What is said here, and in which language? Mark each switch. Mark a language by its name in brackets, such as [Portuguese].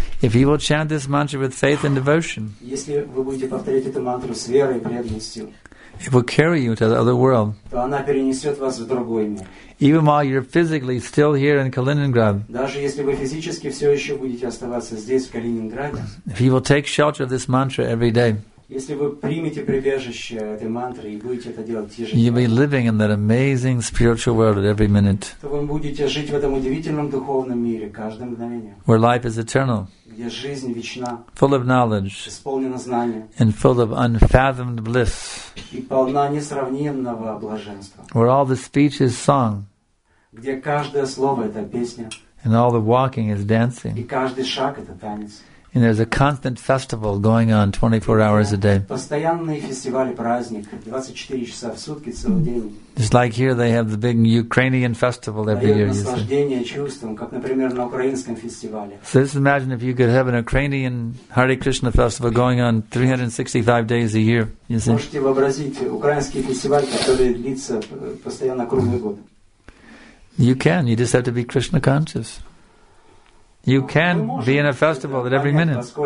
[English] If you will chant this mantra with faith and devotion, it will carry you to the other world. Even while you're physically still here in Kaliningrad, if you will take shelter of this mantra every day, [Russian] если вы примете прибежище этой мантры и будете это делать ежедневно, [English] you'll be living in that amazing spiritual world at every minute. [Russian] То вы будете жить в этом удивительном духовном мире каждое мгновение. [English] Where life is eternal. [Russian] Где жизнь вечна. [English] Full of knowledge. [Russian] Исполнена знания. [English] And full of unfathomed bliss. [Russian] И полна несравненного блаженства. [English] Where all the speech is song. [Russian] Где каждое слово это песня. [English] And all the walking is dancing. [Russian] И каждый шаг это танец. [English] And there's a constant festival going on 24 hours a day. [Russian] Постоянный фестиваль, праздник, 24 часа в сутки, целый день. [English] It's like here they have the big Ukrainian festival every year. [Russian] Дает наслаждение чувством, как, например, на украинском фестивале. [English] So just imagine if you could have an Ukrainian Hare Krishna festival going on 365 days a year. You see? [Russian] Можете вообразить украинский фестиваль, который длится постоянно круглый год. [English] You can. You just have to be Krishna conscious. You can be in a festival at every minute.